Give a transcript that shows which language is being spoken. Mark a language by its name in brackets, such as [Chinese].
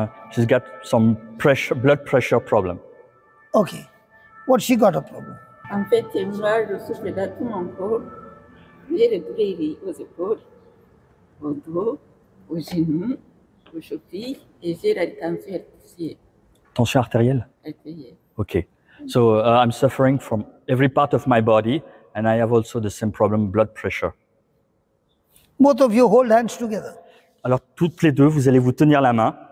[English] She's got some pressure, blood pressure problem. Okay. What she got a problem? [French] En fait, moi, je souffre de tout mon corps. J'ai des douleurs aux épaules, au dos, aux genoux, aux chevilles, et j'ai la tension artérielle. Tension artérielle? Artérielle. [English] Okay. So I'm suffering from every part of my body, and I have also the same problem, blood pressure. Both of you hold hands together. [French] Alors, toutes les deux, vous allez vous tenir la main.